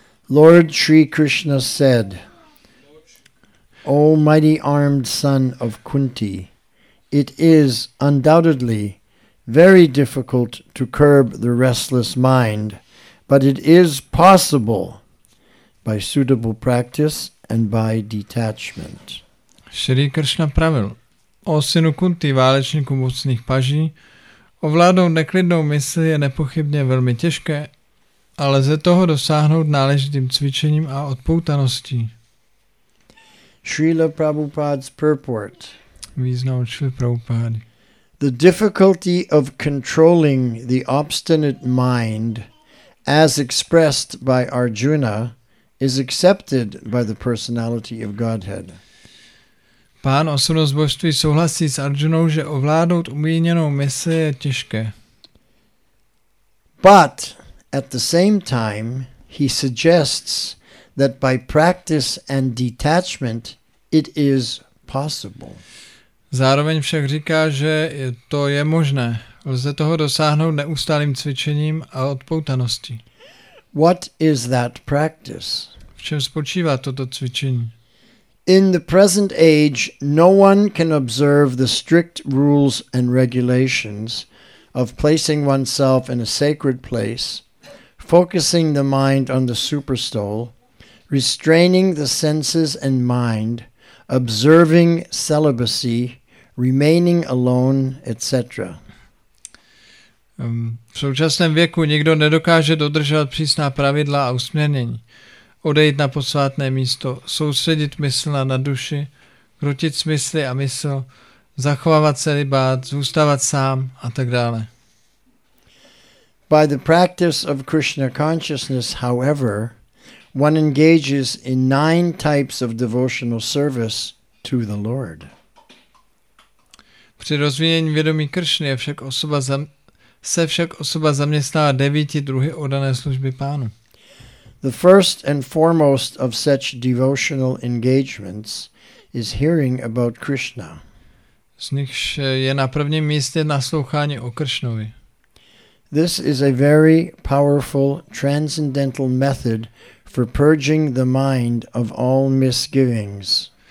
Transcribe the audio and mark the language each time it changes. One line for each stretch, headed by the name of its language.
English: Lord Sri Krishna said, O mighty armed son of Kunti, it is undoubtedly very difficult to curb the restless mind, but it is possible by suitable practice and by detachment.
Czech: Shri Krishna pravil, o synu Kunti, válečníku mocných paží, ovládnout neklidnou mysl je nepochybně velmi těžké, ale ze toho dosáhnout náležitým cvičením a odpoutaností.
English: Srila Prabhupada's purport.
Czech: Význam Srila Prabhupada.
English: The difficulty of controlling the obstinate mind, as expressed by Arjuna, is accepted by the personality of Godhead.
Czech: Pán osobnost božství souhlasí s Arjunou, že ovládnout umíněnou mysl je těžké.
English: But at the same time, he suggests that by practice and detachment, it is possible.
Czech: Zároveň však říká, že to je možné. Lze toho dosáhnout neustálým cvičením a odpoutaností.
English: What is that practice?
Czech: V čem spočívá toto cvičení?
English: In the present age, no one can observe the strict rules and regulations of placing oneself in a sacred place, focusing the mind on the superstole, restraining the senses and mind, observing celibacy, remaining alone, etc.
Czech: V současném věku nikdo nedokáže dodržovat přísná pravidla a usměrnění, odejít na posvátné místo, soustředit mysl na duši, krutit smysly a mysl, zachovávat celibát, zůstávat sám a tak dále.
English: By the practice of Krishna consciousness, however, one engages in 9 types of devotional service to the Lord.
Czech: Při rozvíjení vědomí Kršny se však osoba zaměstnává 9 druhy oddané služby pánu.
English: The first and foremost of such devotional engagements is hearing about Krishna.
Czech: Z nichž je na prvním místě naslouchání o Kršnovi.
English: This is a very powerful transcendental method for purging the mind of all misgivings.